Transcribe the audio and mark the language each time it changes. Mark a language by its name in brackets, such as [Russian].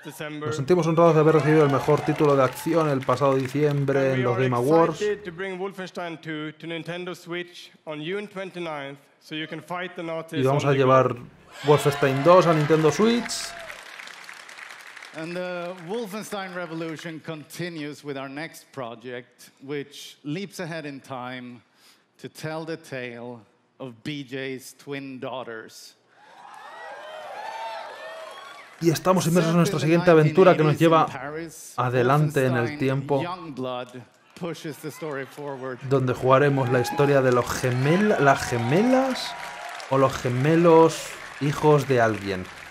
[Spanish] Nos sentimos honrados de haber recibido el mejor título de acción el pasado diciembre en los Game Awards. [English] To bring Wolfenstein 2 to Nintendo Switch on June 29th, so you can fight the Nazis. [Spanish] Y vamos a llevar Wolfenstein 2 a Nintendo Switch. [English] And the Wolfenstein Revolution continues with our next project, which leaps ahead in time to tell the tale of BJ's twin daughters. [Spanish] Y estamos inmersos en nuestra siguiente aventura que nos lleva adelante en el tiempo, donde jugaremos la historia de los gemelos hijos de alguien.